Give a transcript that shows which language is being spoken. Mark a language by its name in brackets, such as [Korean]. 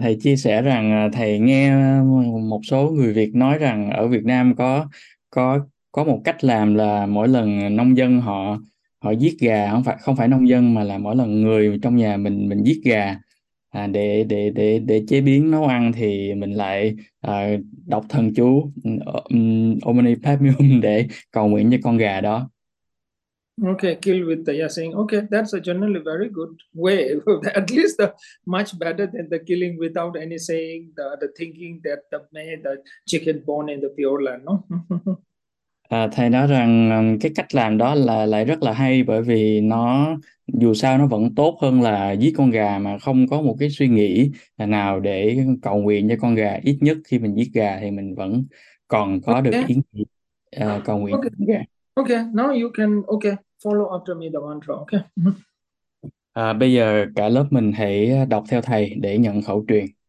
[Vietnamese] Thầy chia sẻ rằng thầy nghe một số người Việt nói rằng ở Việt Nam có một cách làm là mỗi lần nông dân họ họ giết gà, không phải nông dân mà là mỗi lần người trong nhà mình giết gà để chế biến nấu ăn thì mình lại đọc thần chú Omni Padme để cầu nguyện cho con gà đó. [English] Okay, kill with the yeah, saying. Okay, that's a generally very good way. At least much better than the killing without any saying the thinking that the chicken born in the pure land. No? [Vietnamese] Thầy nói rằng cái cách làm đó là lại rất là hay bởi vì nó dù sao nó vẫn tốt hơn là giết con gà mà không có một cái suy nghĩ nào để cầu nguyện cho con gà. Ít nhất khi mình giết gà thì mình vẫn còn có được [English] Okay. [Vietnamese] ý nghĩ cầu nguyện [English] Okay. [Vietnamese] cho con gà. [English] Okay, now you can okay follow after me the mantra. Okay. [Vietnamese] Bây giờ cả lớp mình hãy đọc theo thầy để nhận khẩu truyền.